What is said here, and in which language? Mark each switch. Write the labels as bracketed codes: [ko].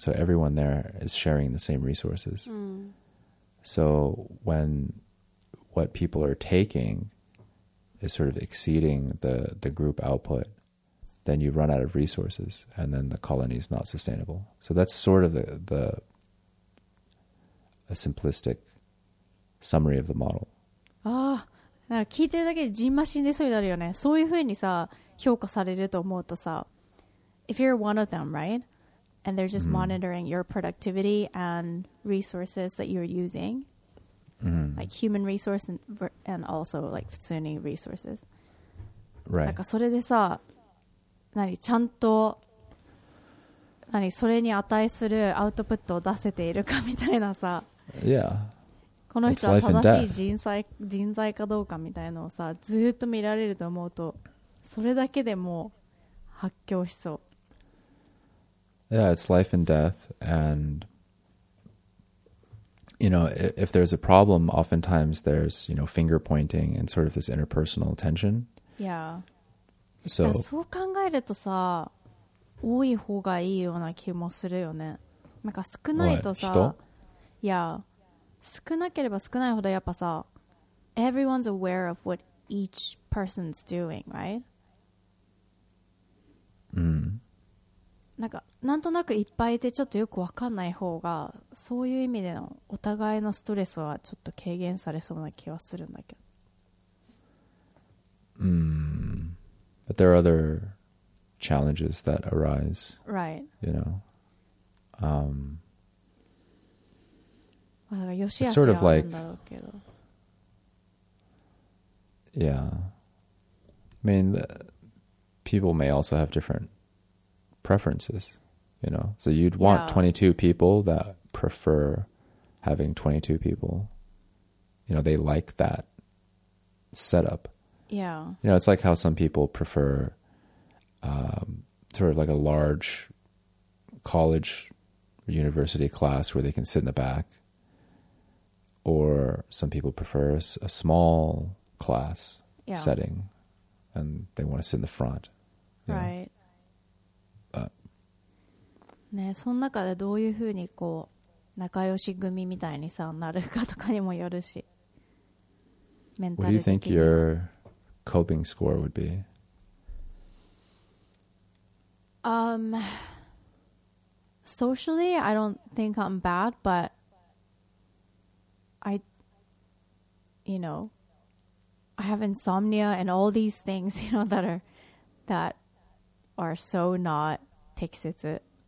[en] So everyone there is sharing the same resources. So when what people are taking is sort of exceeding the group output, then you run out of resources and then the colony is not sustainable. So that's sort of the a simplistic summary of the model. Oh, [ja] なんか聞いてるだけでジンマシン出そうになるよね。そういう風にさ評価されると思うとさ、 [en] If you're one of them, right? And they're just monitoring your productivity and resources that you're using, like human resource and also like [ja] 普通に [en] resources、 right. [ja] なんかそれでさ、何ちゃんと何それに値するアウトプットを出せているかみたいなさ、 [en] yeah. [ja] この人は正しい人材かどうかみたいなのをさずっと見られると思うと、それだけでも発狂しそう。 [en] Yeah, it's life and death. And you know, if there's a problem, oftentimes there's, you know, finger pointing and sort of this interpersonal tension. Yeah. So, [ja] そう考えるとさ、多い方がいいような気もするよね。なんか少ないとさ、いや、少なければ少ないほどやっぱさ、 [en] everyone's aware of what each person's doing, right? [ja] うん。なんかなんとなくいっぱいいてちょっとよくわかんない方が、そういう意味でのお互いのストレスはちょっと軽減されそうな気はするんだけど。 [en] うん。But there are other challenges that arise. Right. You know. [ja] なんかよしあしあるんだろうけど。 [en] Sort of like, yeah. I mean, people may also have different preferences. You know. So you'd want 22 people that prefer having 22 people. You know, they like that setup. Yeah. You know, it's like how some people prefer sort of like a large college or university class where they can sit in the back, or some people prefer a small class setting and they want to sit in the front. Right. But, [ja] ね、その中でどういうふうにこう仲良し組みたいにさなるかとかにもよるし、メンタル的に。 [en] What do you think your coping score would be? Socially, I don't think I'm bad, but I, you know, I have insomnia and all these things, you know, that are so not 適切.